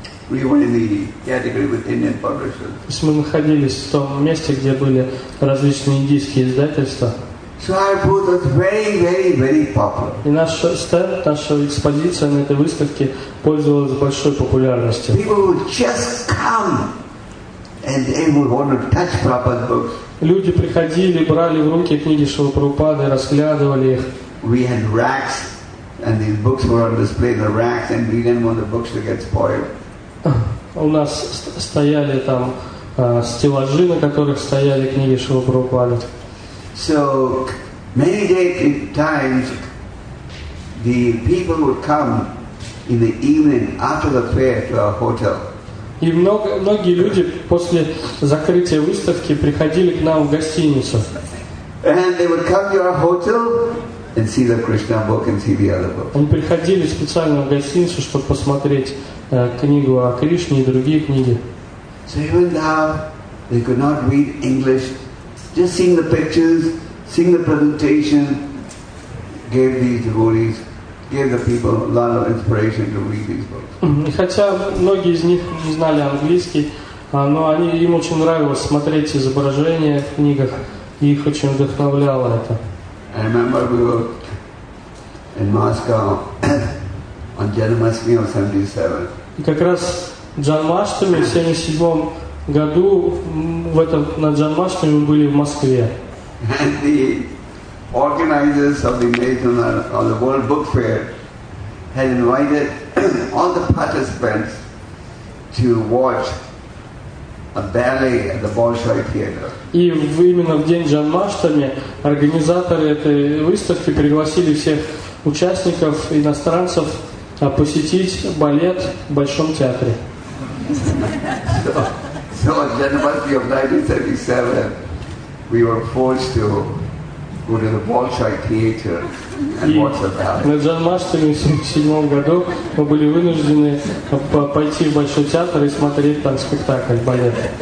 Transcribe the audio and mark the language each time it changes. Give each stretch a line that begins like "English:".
English: We were in the category with Indian publishers.
Russian: Мы находились в том месте, где были различные индийские издательства.
English: So our booth was very, very, very popular.
Russian: И наш стенд, наша экспозиция на этой выставке пользовалась большой популярностью.
English: People would just come and they would want to touch Prabhupada's books.
Russian: Люди приходили, брали в руки книги Шрилы Прабхупады, разглядывали их.
English: We had racks, and these books were on display in the racks, and we didn't want the books to get spoiled.
Russian: У нас стояли там стеллажи, на которых стояли книги Шрилы Прабхупады.
English: So many times the people would come in the evening after the fair to our hotel.
Russian: И многие люди после закрытия выставки приходили к нам в гостиницу.
English: And they would come to our hotel and see the Krishna book and see the other book.
Russian: Они приходили специально в гостиницу, чтобы посмотреть книгу о Кришне и другие книги.
English: So even now they could not read English. Just seeing the pictures, seeing the presentation, gave these devotees, gave the people a lot of inspiration to read these books.
Russian: И хотя многие из них не знали английский, но им очень нравилось смотреть изображения в книгах, и их очень вдохновляло это.
English: I remember we were in Moscow on Janmashtami of 77.
Russian: И как раз Джанмаштами в 77-м году в этом на Джанмаштами мы были в Москве.
English: And the organizers of the National of the World Book Fair had invited all the participants to watch a ballet at the Bolshoi Theater.
Russian: И именно в день Джанмаштами организаторы этой выставки пригласили всех участников иностранцев посетить балет в Большом театре.
English: So on Janmashtami of 1977, we were forced to go to the Bolshoi Theater and watch a ballet.
Russian: На Джанмаштами в 77 году мы были вынуждены пойти в Большой театр и смотреть там спектакль балет.